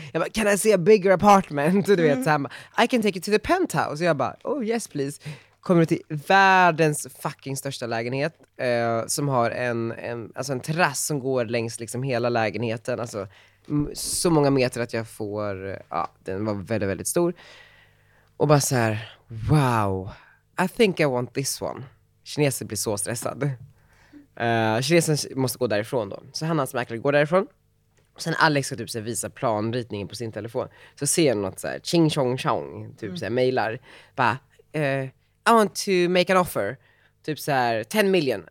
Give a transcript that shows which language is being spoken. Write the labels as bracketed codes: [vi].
[sv] Jag bara, [en] can I see a bigger apartment? [sv] Du vet, såhär, [en] I can take you to the penthouse. [sv] Och jag bara, [en] oh yes please. [sv] Kommer till världens fucking största lägenhet som har en terrass som går längs liksom hela lägenheten. Alltså så många meter att jag får, ja, den var väldigt, väldigt stor. Och bara så här, [en] wow, I think I want this one. [sv] Kineser blir så stressad. Kinesen måste gå därifrån då. Så han, hans mäklare, går därifrån. Sen Alex ska typ så visa planritningen på sin telefon. Så ser jag något så här, ching chong chong, typ så här, mejlar. Bara, [en] I want to make an offer. [sv] Typ så här [en] 10 million.